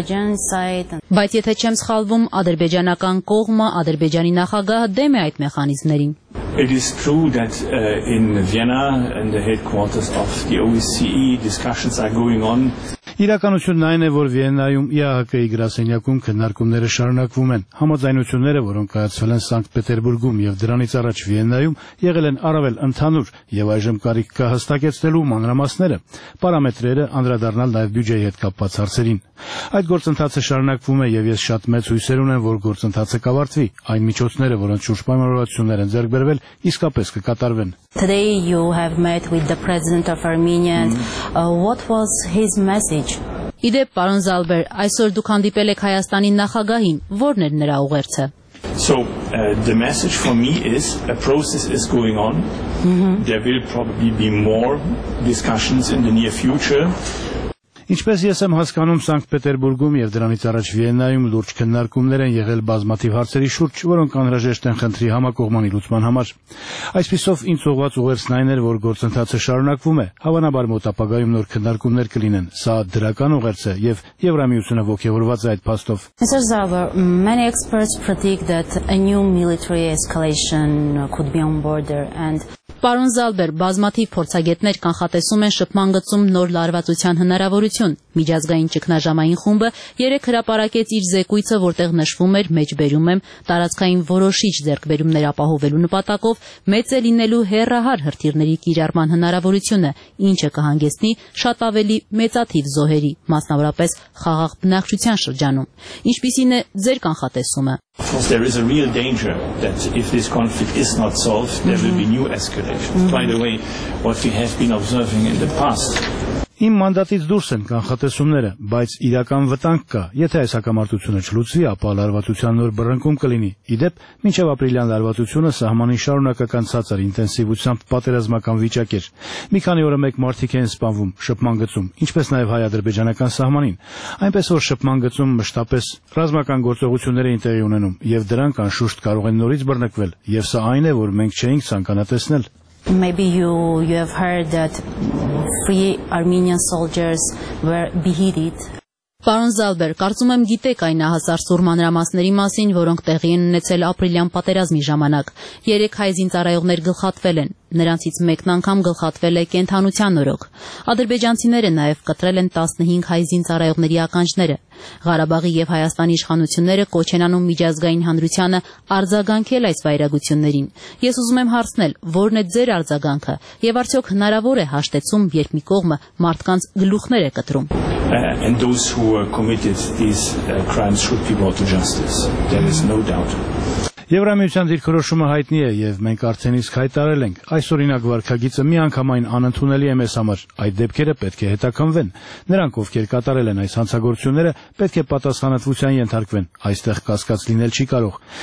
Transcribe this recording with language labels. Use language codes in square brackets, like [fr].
[hy] Բայց եթե չեմ սխալվում, ադրբեջանական կողմը, ադրբեջանի նախագահը դեմ է այդ մեխանիզմներին։ [en] It is true that in Vienna and the headquarters of the OSCE discussions are going on. [hy] Իրականությունն այն է, որ Վիեննայում ԵԱՀԿ-ի գրասենյակում քննարկումները շարունակվում են։ Համաձայնությունները, որոնք կայացվել են Սանկտ Պետերբուրգում և դրանից առաջ Վիեննայում, եղել են առավել ընդհանուր և այժմ կարիք կա հստակեցնելու մանրամասները, պարամետրերը, անդրադառնալ նաև բյուջեի հետ կապված հարցերին։ Այդ գործընթացը շարունակվում է և ես շատ մեծ հույսեր ունեմ, որ գործընթացը կավարտվի, այն միջոցները, որոնց շուրջ պայմանավորվածություններ են ձեռք բերվել, իսկապես կկատարվեն։ [en] Today you have met with the president of Armenia. What was his message? [hy] Իդե պարոն Զալբեր, այսօր դուք հանդիպել եք Հայաստանի նախագահին, ո՞րն էր նրա ուղերձը։ [en] So the message for me is a process is going on. There will probably be more discussions in the near future. [hy] Ինչպես ես եմ հասկանում, Սանկտ Պետերբուրգում և դրանից առաջ Վիեննայում լուրջ քննարկումներ են եղել բազմաթիվ հարցերի շուրջ, որոնք անհրաժեշտ են խնդրի համակողմանի լուծման համար։ Այսպիսով ինձ ուղված ուղերձն այն էր, որ գործընթացը շարունակվում է, հավանաբար մոտ ապագայում նոր քննարկումներ կլինեն։ Սա դրական ուղերձ է, և Եվրամիությունը ոգևորված է այդ փաստով։ [en] Mr. Zaver, many experts predict that a new military escalation could be on border and [hy] Պարոն Զալբեր, բազմաթիվ փորձագետներ կանխատեսում են շփման գծում նոր լարվածության հնարավորություն։ Միջազգային ճգնաժամային խումբը երեք հրապարակեց իր զեկույցը, որտեղ նշվում էր «մեջբերում եմ տարածքային որոշիչ ձեռքբերումներ ապահովելու նպատակով մեծ է լինելու հեռահար հրթիռների կիրառման հնարավորությունը, ինչը կհանգեցնի շատ ավելի մեծաթիվ զոհերի, մասնավորապես խաղաղ բնակչության շրջանում»։ Ինչպիսին է ձեր կանխատեսումը։ [en] There is a real danger that if this conflict is not solved, there will be new escalations. By the way, what we have been observing in the past. [hy] Իմ մանդատից դուրս են կանխատեսումները, բայց իրական վտանգ կա, եթե այս հակամարտությունը չլուծվի, ապա լարվածության նոր բռնկում կլինի։ Իդեպ, մինչև ապրիլյան լարվածությունը սահմանին շարունակական ցածր ինտենսիվությամբ պատերազմական վիճակ էր։ Մի քանի օրը մեկ մարդիկ էին սպանվում շփման գծում, ինչպես նաև հայ-ադրբեջանական սահմանին, այնպես որ շփման գծում մշտապես ռազմական գործողություններ էին տեղի ունենում, և դրանք անշուշտ կարող են նորից բռնկվել, և սա այն է, որ մենք չենք ցանկանա տեսնել։ [en] Maybe you have heard that three Armenian soldiers were beheaded. [hy] Պարոն Զալբեր, կարծում եմ գիտեք այն ահասար սուրմանրամասների մասին, որոնք տեղի են ունեցել ապրիլյան պատերազմի ժամանակ։ Երեք հայ զինծառայողներ գլխատվել են, նրանցից մեկն անգամ գլխատվել է կենդանության օրոք։ Ադրբեջանցիները նաև կտրել են 15 հայ զինծառայողների ականջները։ Ղարաբաղի և Հայաստանի իշխանությունները կոչ են անում միջազգային հանրությանը արձագանքել այս վայրագություններին։ Ես ուզում եմ հարցնել, որն է ձեր արձագանքը, և արդյոք հնարավոր է հաշտեցում, երբ մի կողմը մարդկանց գլուխներ է կտրում։ [en] And those who committed these crimes should be brought to justice. There is no doubt. [hy] Եվրամիության դիրքորոշումը հայտնի է, և մենք արդեն իսկ հայտարել ենք, այսօրինակ վարքագիծը միանգամայն անընդունելի է մեզ համար, այդ դեպքերը պետք է հետաքնվեն, նրանք, ովքեր կատարել են այս հանցագործությունները, պետք է պատասխանատվության ենթարկվեն, այստեղ կասկած լինել չի կարող։